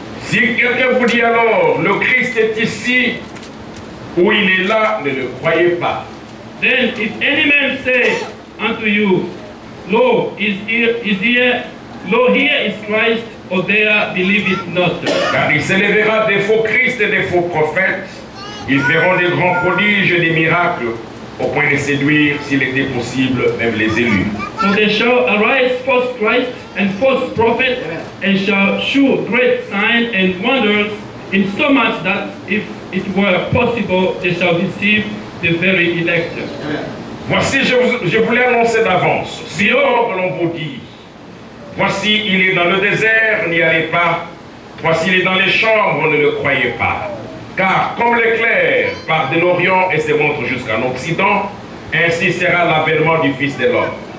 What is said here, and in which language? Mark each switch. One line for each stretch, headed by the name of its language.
French: Si quelqu'un vous dit alors, le Christ est ici ou il est là, ne le croyez pas.
English: Then if any man say unto you, lo, is here, lo, here is Christ, or there, believe it not.
French: Car il s'élèvera des faux Christ et des faux prophètes. Ils feront des grands prodiges et des miracles, au point de séduire, s'il était possible, même les élus.
English: So there shall arise false Christ and false prophets, and shall show great signs and wonders, in so much that, if it were possible, they shall deceive the very elect.
French: Voici, je vous l'ai annoncé d'avance. Si or que l'on vous dit, voici, il est dans le désert, n'y allez pas. Voici, il est dans les chambres, ne le croyez pas. Car comme l'éclair part de l'Orient et se montre jusqu'en Occident, ainsi sera l'avènement du Fils de l'homme.